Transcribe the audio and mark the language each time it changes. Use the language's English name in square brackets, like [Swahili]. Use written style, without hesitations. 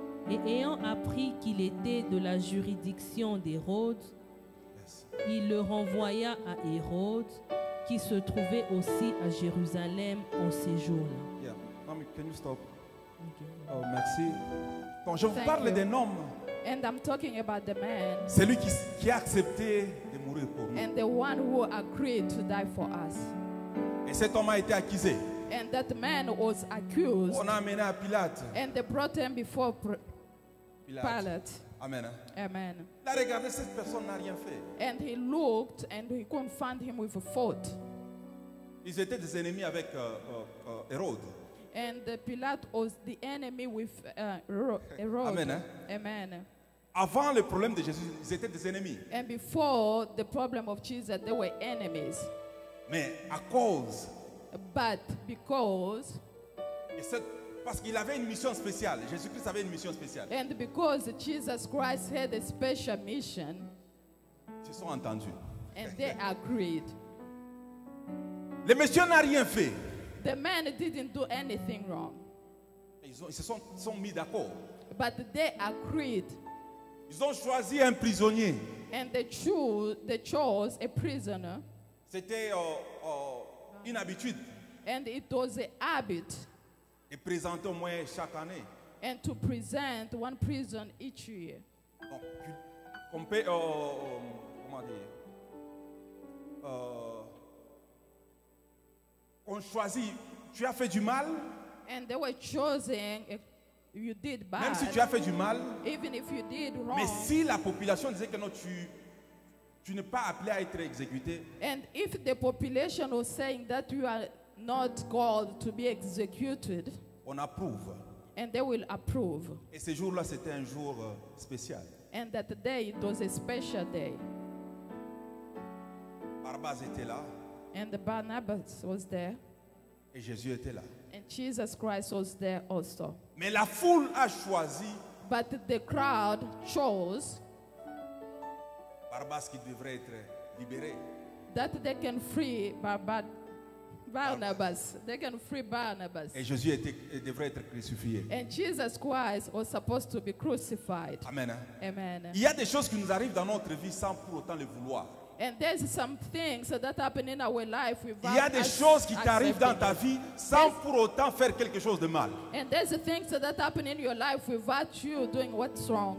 [French] Et ayant appris qu'il était de la juridiction d'Hérode, il le renvoya à Hérode, qui se trouvait aussi à Jérusalem en ces jours-là. [English] Yeah. Mommy, can you stop? Okay. Oh, [French] merci. Donc, je vous parle d'un homme [English] And I'm talking about the man. [French] Celui qui a accepté de mourir pour nous. [English] And the one who agreed to die for us. [French] Et cet homme a été accusé. [English] And that man was accused. [French] On a amené à Pilate. [English] And they brought him before Pilate. Amen. Amen. [French] Il a regardé, cette personne n'a rien fait. [English] And he looked and he confronted him with a fault. [French] Ils étaient des ennemis avec Hérode. [English] And Pilate was the enemy with Herod. Amen. Amen. [French] Avant le problème de Jésus, ils étaient des ennemis. [English] And before the problem of Jesus, they were enemies. [French] Mais à cause. [English] But because. [French] Et parce qu'il avait une mission spéciale. Jésus-Christ avait une mission spéciale. [English] And because Jesus Christ had a special mission. [French] Ils se sont entendus. [English] And they agreed. [French] Le monsieur n'a rien fait. [English] The man didn't do anything wrong. [French] Ils se sont mis d'accord. [English] But they agreed. [French] Ils ont choisi un prisonnier. [English] And they chose a prisoner. [French] C'était une habitude. [English] And it was a habit. [French] Et présenter au moins chaque année. [English] And to present one prison each year. [French] Donc, on peut, comment dire, on choisit, tu as fait du mal. [English] And they were chosen if you did bad. [French] Même si tu as fait du mal. [English] Even if you did wrong. [French] Mais si la population disait que non, tu n'es pas appelé à être exécuté. [English] And if the population was saying that you are not called to be executed. [French] On approuve. [English] And they will approve. [French] Et ce jour-là, c'était un jour spécial. [English] And that day, it was a special day. [French] Barabbas était là. [English] And Barnabas was there. [French] Et Jésus était là. [English] And Jesus Christ was there also. [French] Mais la foule a choisi. [English] But the crowd chose. [French] Barabbas qui devrait être libéré. [English] That they can free Barnabas. They can free Barnabas. [French] Et Jésus devrait être crucifié. [English] And Jesus Christ was supposed to be crucified. Amen. Amen. [French] Il y a des choses qui nous arrivent dans notre vie sans pour autant le vouloir. [English] And there's some things that happen in our life without. [French] Il y a des choses qui t'arrivent dans ta vie sans pour autant faire quelque chose de mal. [English] And there's things that happen in your life without you doing what's wrong.